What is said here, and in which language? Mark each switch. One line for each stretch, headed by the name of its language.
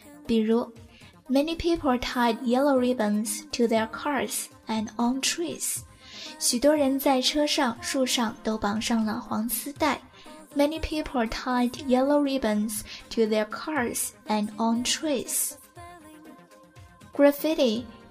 Chinese: 比如
English: ,Many people tied yellow ribbons to their cars and on trees.
Chinese: 许多人在车上、树上都绑上了黄丝带。
English: Many people tied yellow ribbons to their cars and on trees. Graffiti,